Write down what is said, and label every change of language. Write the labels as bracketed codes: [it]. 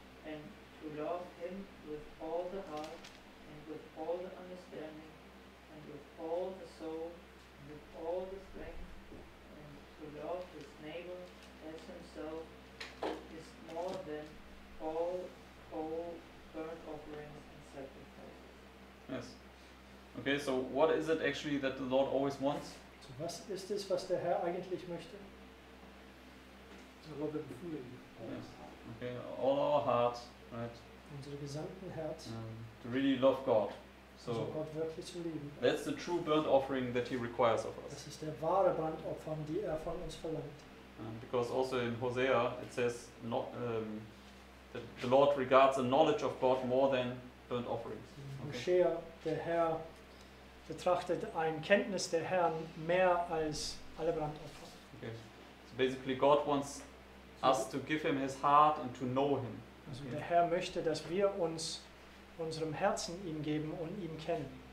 [en] And to love him with all the heart, with all the understanding, and with all the soul, and with all the strength, and to love his neighbor as himself, is more than all whole burnt offerings and sacrifices. Yes. Okay, so what is it actually that the Lord always wants? [de] So was ist es, was der Herr eigentlich möchte? [en] So love the feeling. Yes. Okay, all our hearts, right? [de] Unser gesamten Herz. [en] To really love God. So [de] Gott wirklich zu lieben. [en] That's the true burnt offering that he requires of us. [de] Das ist der wahre Brandopfer, die er von uns verlangt. [en] Because also in Hosea it says not, that the Lord regards the knowledge of God more than burnt offerings. Okay. [de] Hosea, der Herr, betrachtet ein Kenntnis der Herrn mehr als alle Brandopfer. [en] Okay. So basically God wants us to give him his heart and to know him. [de] Also der Herr möchte, dass wir uns unserem Herzen ihm geben und ihn kennen.